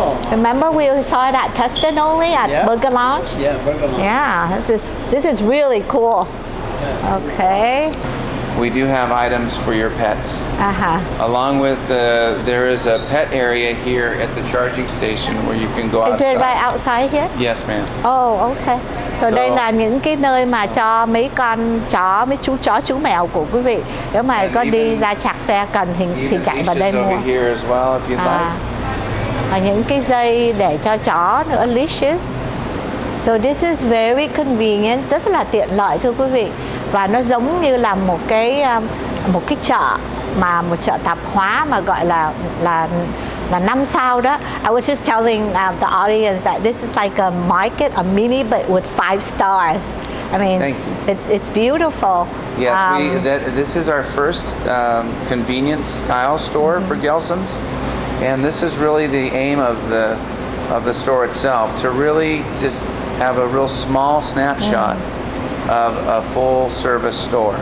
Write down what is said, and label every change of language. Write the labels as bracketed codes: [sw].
[en] Remember we saw it at Tustin only at Burger Lounge? Yeah, Burger Lounge. Yeah, this is really cool. Okay. We do have items for your pets. Uh-huh. Along with there is a pet area here at the charging station where you can go outside. Is it right outside here? Yes, ma'am. Oh, okay. [vi] So đây là những cái nơi mà cho mấy con chó, mấy chú chó, chú mèo của quý vị. Nếu mà có đi ra chạc xe cần thì chạy vào đây mua. [en] Here as well, if you'd [vi] và những cái dây để cho chó nữa, leashes. [en] So this is very convenient, [vi] rất là tiện lợi thưa quý vị. Và nó giống như là một cái chợ, mà một chợ tạp hóa mà gọi là năm sao đó. [en] I was just telling the audience that this is like a market, a mini but with 5 stars. I mean, thank you. It's beautiful. Yes, this is our first convenience style store for Gelson's, and this is really the aim of the store itself, to really just have a real small snapshot of a full service store.